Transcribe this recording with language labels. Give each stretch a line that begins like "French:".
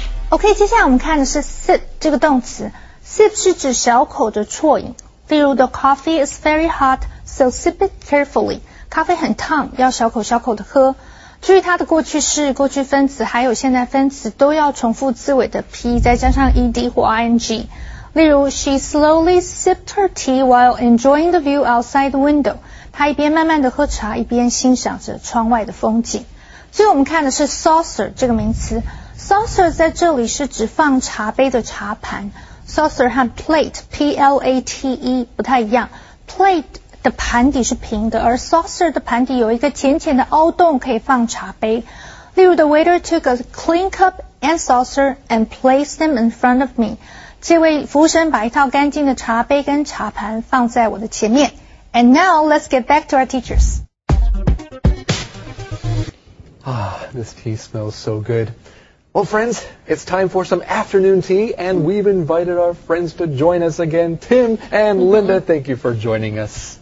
Chinese: OK, 接下来我们看的是 sip 这个动词。sip 是指小口的啜饮。例如
English: the coffee is very hot, so sip it carefully.
Chinese: 咖啡很烫，要小口小口的喝。注意它的过去式、过去分词还有现在分词都要重复字尾的 p 再加上 ed 或 ing。例如
English: she slowly sipped her tea while enjoying the view outside the window.
Chinese: 她一边慢慢的喝茶，一边欣赏着窗外的风景。最后我们看的是 saucer 这个名词。Saucer 在这里是指放茶杯的茶盘。 Saucer 和 plate, P-L-A-T-E, 不太一样。 Plate 的盘底是平的，而 saucer 的盘底有一个浅浅的凹洞可以放茶杯。例如
English: the waiter took a clean cup and saucer and placed them in front of me.
Chinese: 这位服务生把一套干净的茶杯跟茶盘放在我的前面。
English: And now, let's get back to our teachers. Ah, this tea smells so good. Well, friends, it's time for some afternoon tea, and we've invited our friends to join us again. Tim and Linda, thank you for joining us.